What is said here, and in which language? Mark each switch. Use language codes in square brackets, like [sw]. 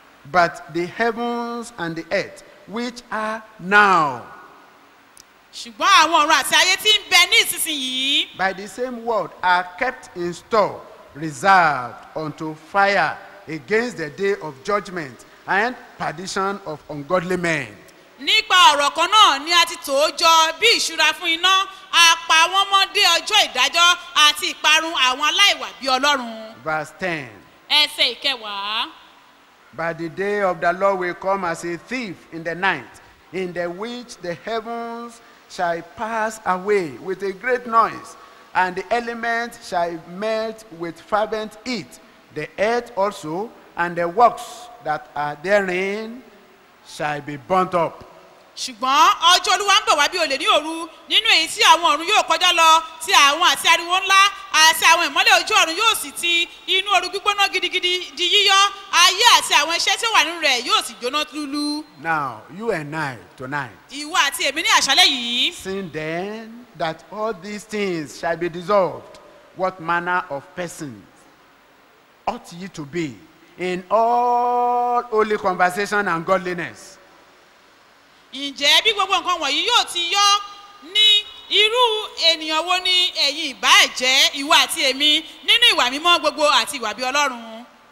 [en] But the heavens and the earth, which are now [yo] ṣùgbọ́n àwọn ọ̀run àti ayé tí ń bẹ nísinsìnyí. [en] By the same word are kept in store, reserved unto fire against the day of judgment and perdition of ungodly men. [yo] Nípa ọ̀rọ̀ kan náà ni a ti tó jọ bí ìṣúra fún iná, àpá wọn mọ́ dé ọjọ́ ìdájọ́ àti ìparun àwọn aláìwà bí Ọlọ́run. [en] Verse 10. [yo] Ẹsẹ̀ ìkẹwàá. [en] By the day of the Lord will come as a thief in the night, in the which the heavens shall pass away with a great noise, and the elements shall melt with fervent heat, the earth also, and the works that are therein shall be burnt up. [yo] Ṣùgbọ́n ọjọ́ Olúwa ń bọ̀ wá bí olè ní òru, nínú èyí tí àwọn ọ̀run yóò kọjá lọ, tí àwọn àti ariwo ńlá àti àwọn ìmọ́lẹ̀ ojú ọ̀run yóò sì ti inú oru gbígbóná gidigidi di yíyọ, ayé àti àwọn iṣẹ́ tí ó wà nínú rẹ̀ yóò sì jóná túlú. [en] Now you and I tonight. [yo] Ìwọ àti èmi ní àṣálẹ́ yìí. [en] Since then that all these things shall be dissolved, what manner of persons ought ye to be in all holy conversation and godliness? [yo] Ǹjẹ́ bí gbogbo nǹkan wọ̀nyí yóò ti yọ ní irú ènìyàn wo ni ẹ̀yin ìbá ẹ̀jẹ́ ìwọ àti èmi nínú ìwà mímọ́ gbogbo àti ìwà bí Ọlọ́run.